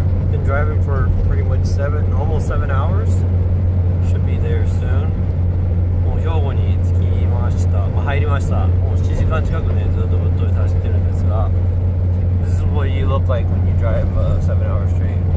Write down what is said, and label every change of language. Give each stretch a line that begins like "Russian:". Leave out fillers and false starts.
English: Been driving for pretty much almost seven hours. Should be there soon.
Japanese: もう兵庫に着きました。まあ、入りました。もう7時間近くね、ずっとぶっ通し走ってるんですが。
English: This is what you look like when you drive a 7-hour straight.